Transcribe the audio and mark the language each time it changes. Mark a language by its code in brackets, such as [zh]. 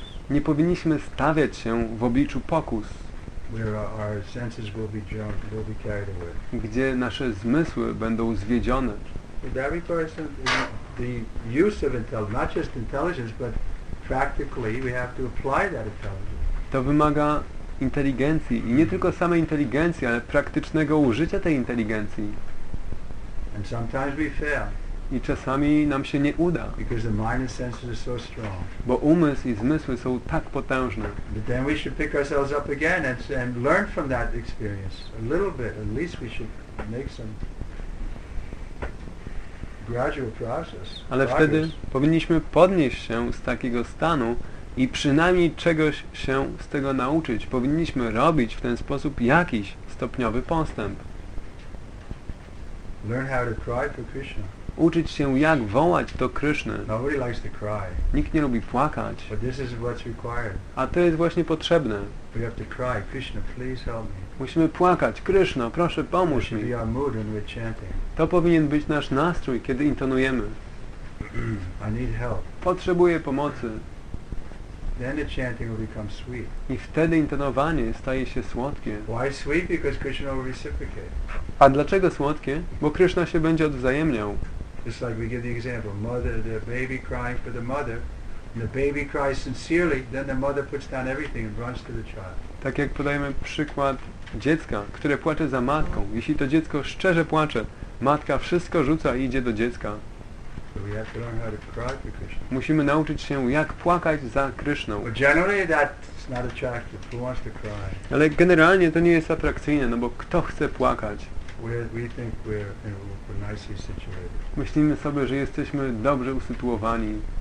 [pl] Nie powinniśmy stawiać się w obliczu pokus. [en] Where our senses will be drunk, will be carried away. [pl] Gdzie nasze zmysły będą zwiedzione. [en] That requires the use of intelligence, not just intelligence, but practically we have to apply that intelligence. [pl] To wymaga inteligencji i nie tylko samej inteligencji, ale praktycznego użycia tej inteligencji. [en] And sometimes we fail. [pl] I czasami nam się nie uda. [en] Because the mind and senses are so strong. [pl] Bo umysł i zmysły są tak potężne. [en] But then we should pick ourselves up again and learn from that experience a little bit. At least we should make some gradual process. [pl] Ale wtedy powinniśmy podnieść się z takiego stanu i przynajmniej czegoś się z tego nauczyć. Powinniśmy robić w ten sposób jakiś stopniowy postęp. [en] Learn how to cry for Krishna. [pl] Uczyć się, jak wołać do Kryszny. [en] Nobody likes to cry. [pl] Nikt nie lubi płakać. [en] But this is what's required. [pl] A to jest właśnie potrzebne. [en] We have to cry. Krishna, please help me. [pl] Musimy płakać. Krishna, proszę, pomóż mi. [en] It should be our mood when we're chanting. [pl] To powinien być nasz nastrój, kiedy intonujemy. [en] I need help. [pl] Potrzebuję pomocy. [en] Then the chanting will become sweet. [pl] I wtedy intonowanie staje się słodkie. [en] Why sweet? Because Krishna will reciprocate. [pl] A dlaczego słodkie? Bo Krishna się będzie odwzajemniał. [en] Just like we give the example, mother, the baby crying for the mother, and the baby cries sincerely, then the mother puts down everything and runs to the child. [pl] Tak jak podajemy przykład dziecka, które płacze za matką. Jeśli to dziecko szczerze płacze, matka wszystko rzuca i idzie do dziecka. [en] So we have to learn how to cry for Krishna. [pl] Musimy nauczyć się, jak płakać za Krishną. [en] But generally that's not attractive. Who wants to cry? [pl] Ale generalnie to nie jest atrakcyjne, no bo kto chce płakać? [en] We think we're nicely situated. [pl] Myślimy sobie, że jesteśmy dobrze usytuowani.